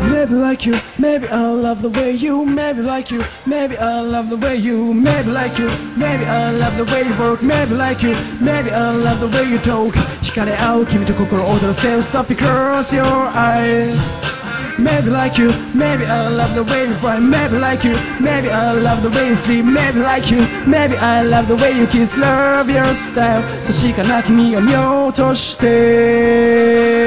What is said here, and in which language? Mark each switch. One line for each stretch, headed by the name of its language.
English: Like you, maybe I love the way you. Maybe like you, maybe I love the way you. Maybe like you, maybe I love the way you work. Maybe like you, maybe I love the way you talk.
Japanese: 惹かれ合う君と心躍らせ
English: Stop it, close your eyes. Maybe like you, maybe I love the way you fly. Maybe like you, maybe I love the way you sleep. Maybe like you, maybe I love the way you kiss. Love your style.
Japanese: 確かな君を見ようとして。